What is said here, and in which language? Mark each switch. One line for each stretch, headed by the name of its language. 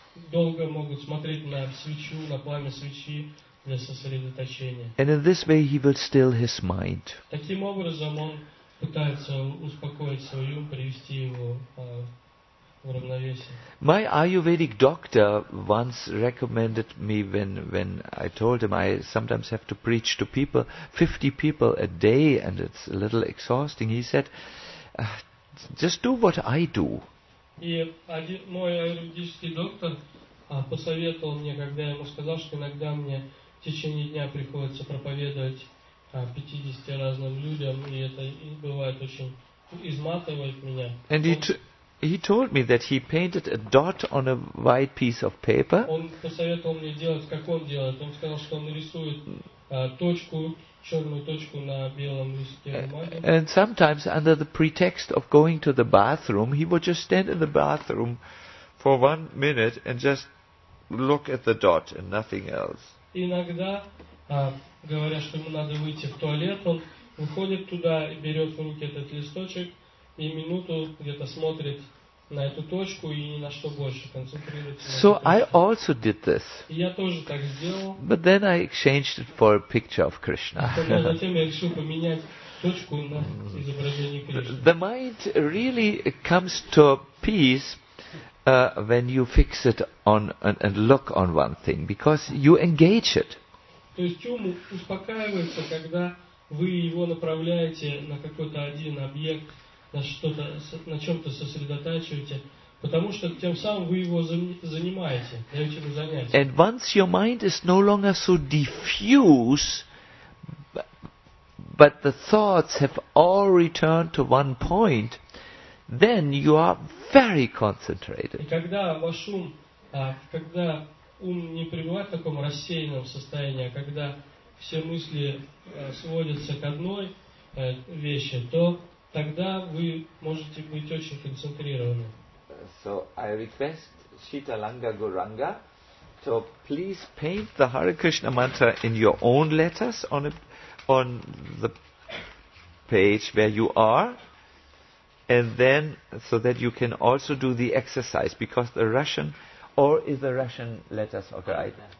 Russian: Долго могут смотреть на свечу, на пламя свечи. Для сосредоточения.
English: And in this way he will still his mind.
Russian: Таким образом он пытается успокоить свой ум, привести его в равновесие.
English: My Ayurvedic doctor once recommended me when I told him I sometimes have to preach to people, 50 people a day, and it's a little exhausting. He said, just do what I do.
Russian: И мой аюрведический доктор посоветовал мне, когда я ему сказал, что иногда мне в течение дня приходится проповедовать 50 разным людям, и это бывает очень изматывает меня.
English: And he told me that he painted a dot on a white piece of paper.
Russian: Он посоветовал мне делать, как он делает. Он сказал, что он рисует точку, черную точку на белом листе бумаги.
English: And sometimes under the pretext of going to the bathroom, he would just stand in the bathroom for 1 minute and just look at the dot and nothing else.
Russian: Иногда, говоря, что ему надо выйти в туалет, он выходит туда и берет в руки этот листочек и минуту где-то смотрит на эту точку и ни на что больше концентрируется.
English: So I also did this.
Russian: Я тоже так сделал.
English: But then I exchanged it for a picture of Krishna.
Russian: Затем я решил поменять точку на изображение Кришны.
English: The mind really comes to peace. When you fix it on and look on one thing, because you engage it.
Russian: То есть ум успокаивается, когда вы его направляете на какой-то один объект, на что-то, на чем-то сосредотачиваете, потому что тем самым вы его занимаете, даете ему занятие.
English: And once your mind is no longer so diffuse, but the thoughts have all returned to one point. Then you are very concentrated.
Russian: И когда ваш ум, когда ум не пребывает в таком рассеянном состоянии, а когда все мысли сводятся к одной вещи, то тогда вы можете быть очень концентрированы.
English: So I request Shitalanga Guranga to please paint the Hare Krishna mantra in your own letters on the page where you are. And then, so that you can also do the exercise, because the Russian, or is the Russian letters okay?